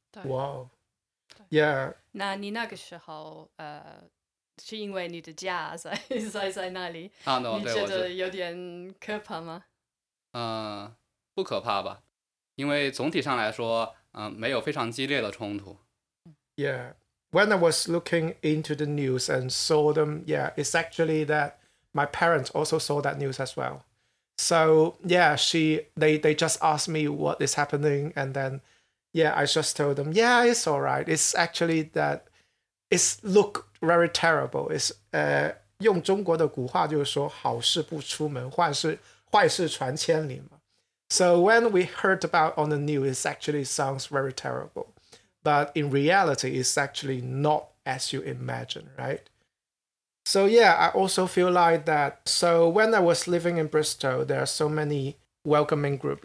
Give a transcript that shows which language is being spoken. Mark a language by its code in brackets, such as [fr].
[en] 哇、wow. ，Yeah。 [zh] 那你那个时候，是因为你的家在那里？ [en] 啊、no, [zh] 你觉得有点可怕吗？不可怕吧，因为总体上来说，没有非常激烈的冲突。 [en] Yeah, when I was looking into the news and saw them, yeah, it's actually that my parents also saw that news as well. So yeah, they just asked me what is happening, and then yeah, I just told them, yeah, it's all right. It's actually that it's look very terrible. It's [zh] 用中国的古话就是说好事不出门，坏事传千里嘛。 [en] So when we heard about on the news, it actually sounds very terrible, but in reality, it's actually not as you imagine, right? So yeah, I also feel like that. So when I was living in Bristol, there are so many welcoming groups.